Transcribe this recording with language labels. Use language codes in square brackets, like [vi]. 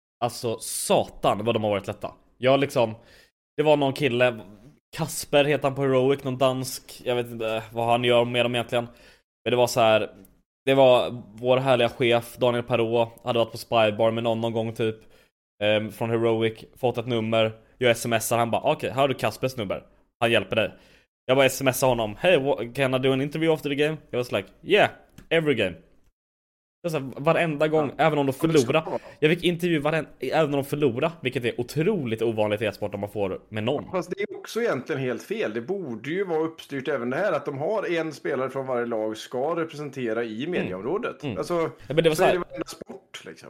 [sv] Alltså satan vad de har varit lätta. Jag liksom, det var någon kille, Kasper heter han på Heroic, någon dansk, jag vet inte vad han gör med dem egentligen. Men det var så här, det var vår härliga chef Daniel Perrault, hade varit på Spybar med någon gång typ från Heroic, fått ett nummer. Jag smsar, han bara okej, här har du Kaspers nummer, han hjälper dig. Jag bara smsade honom, [en] hey, can I do an interview after the game? [sv] Jag var [en] like, yeah, every game. [sv] Jag sa, varenda gång, ja. Även om de förlorar. Jag fick intervju även om de förlorar, vilket är otroligt ovanligt i e-sport om man får med någon. Fast det är också egentligen helt fel. Det borde ju vara uppstyrt även det här, att de har en spelare från varje lag ska representera i medieområdet. Mm. Alltså, ja, men det var så här, är det varenda sport liksom.